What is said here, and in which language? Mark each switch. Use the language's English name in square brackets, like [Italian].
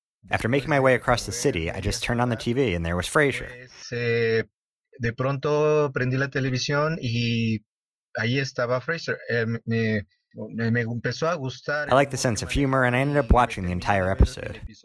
[English] After making my way across the city, I just turned on the TV and there was Frasier. [Spanish] De pronto prendí la televisión y ahí estaba Frasier. Me empezó a gustar. [English] I like the sense of humor and I ended up watching the entire episode.